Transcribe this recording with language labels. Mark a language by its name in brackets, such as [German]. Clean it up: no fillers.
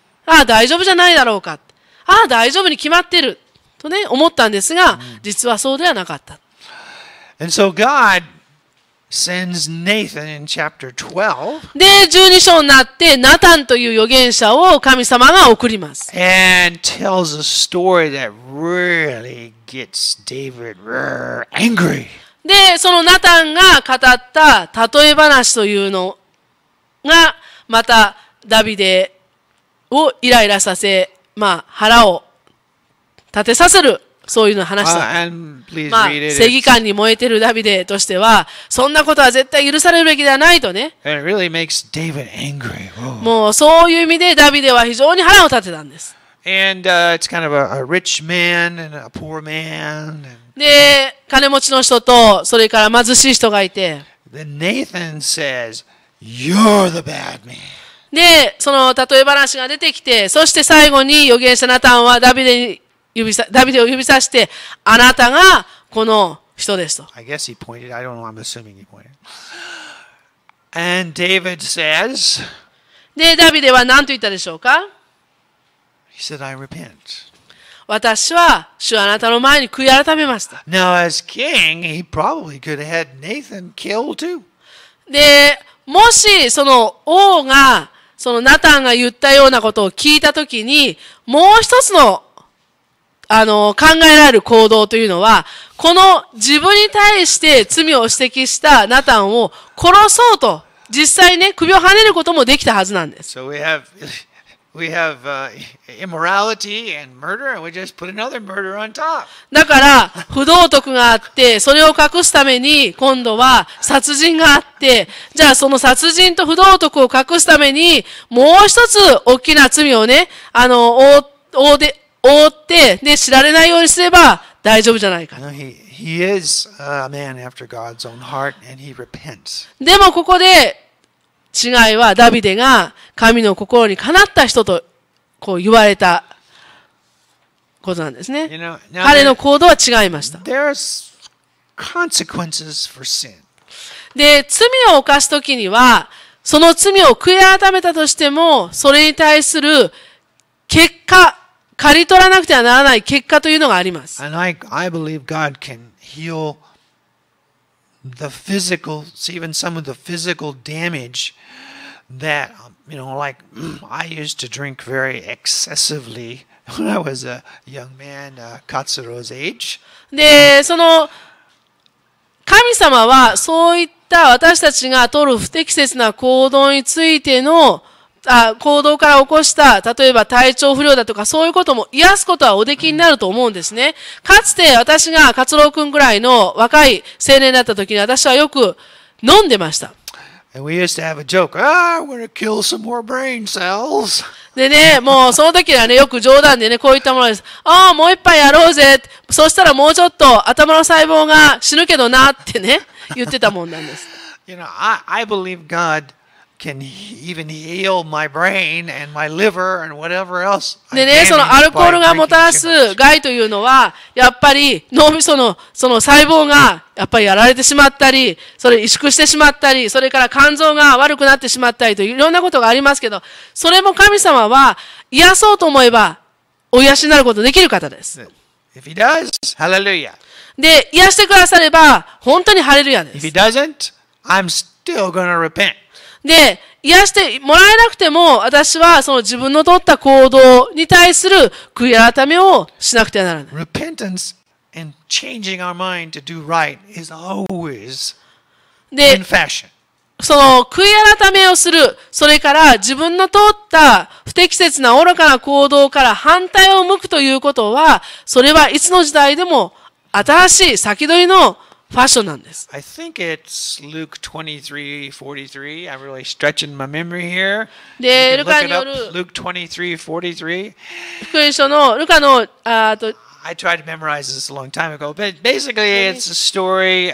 [Japanese] ああ、大丈夫じゃないだろうか。ああ、大丈夫に決まってる。とね、思ったんですが、実はそうではなかった。 [English] And so God sends Nathan in chapter 12. [Japanese] で、12章になって、ナタンという預言者を神様が送ります。 [English] And tells a story that really gets David angry. [Japanese] で、そのナタンが語った例え話というのが、またダビデをイライラさせ、まあ、腹を立てさせる。そういうの話した。まあ、正義感に燃えてるダビデとしては、そんなことは絶対許されるべきではないとね。 [English] Really、makes David angry. [Japanese] もうそういう意味でダビデは非常に腹を立てたんです。 [English] And, it's kind of a rich man and a poor man. [Japanese] で、金持ちの人と、それから貧しい人がいて。 [English] Then Nathan says, You're the bad man. [Japanese] で、その例え話が出てきて、そして最後に預言者ナタンはダビデを指さして、あなたがこの人ですと。 [English] I guess he pointed. I don't know. I'm assuming he pointed. And David says. [Japanese] で、ダビデは何と言ったでしょうか。 [English] He said, "I repent." [Japanese] 私は主はあなたの前に悔い改めました。 [English] Now, as king, he probably could have had Nathan killed too. [Japanese] で、もしその王が、そのナタンが言ったようなことを聞いたときに、もう一つの、考えられる行動というのは、この自分に対して罪を指摘したナタンを殺そうと、実際ね、首をはねることもできたはずなんです。 [English] So we have... We have immorality and murder, and we just put another murder on top. [Japanese] だから不道徳があって、それを隠すために今度は殺人があって、じゃあその殺人と不道徳を隠すためにもう一つ大きな罪をね、覆って、で知られないようにすれば大丈夫じゃないか。 [English] He is a man after God's own heart, and he repents. [Japanese] でもここで違いはダビデが神の心にかなった人とこう言われたことなんですね。彼の行動は違いました。で、罪を犯すときには、その罪を悔い改めたとしても、それに対する結果、刈り取らなくてはならない結果というのがあります。 [English] I believe God can heal the physical, even some of the physical damage. That, you know, like, I used to drink very excessively when I was a young man, Katsuro's age. [Japanese] で、その、神様はそういった私たちが取る不適切な行動についての、行動から起こした、例えば体調不良だとかそういうことも癒すことはおできになると思うんですね。かつて私が勝郎くんぐらいの若い青年だった時に私はよく飲んでました。 [English] And we used to have a joke. Ah, we're gonna kill some more brain cells. [Japanese] でね、もうその時はね、よく冗談でね、こういったものです。ああ、もう一杯やろうぜ。そしたらもうちょっと頭の細胞が死ぬけどなってね、言ってたもんなんです。 [English] You know, I believe God can even heal my brain and my liver and whatever else. [Japanese] でね、そのアルコールがもたらす害というのは、やっぱり脳みその、その細胞がやっぱりやられてしまったり、それ萎縮してしまったり、それから肝臓が悪くなってしまったりといろんなことがありますけど、それも神様は癒そうと思えばお癒しになることができる方です。 [English] If he does, hallelujah. [Japanese] で、癒してくだされば本当にハレルヤです。 [English] If he doesn't, I'm still gonna repent. [Japanese] で、癒してもらえなくても私はその自分の取った行動に対する悔い改めをしなくてはならない。 [English] Repentance. And changing our mind to do right is always in fashion. [Japanese] その悔い改めをする、それから自分の通った不適切な愚かな行動から反対を向くということは、それはいつの時代でも新しい先取りのファッションなんです。 [English] I think it's Luke 23:43. I'm really stretching my memory here. [Japanese] で、ルカによる [English] Luke 23:43. [Japanese] 福音書のルカの [English] I tried to memorize this a long time ago, but basically it's a story.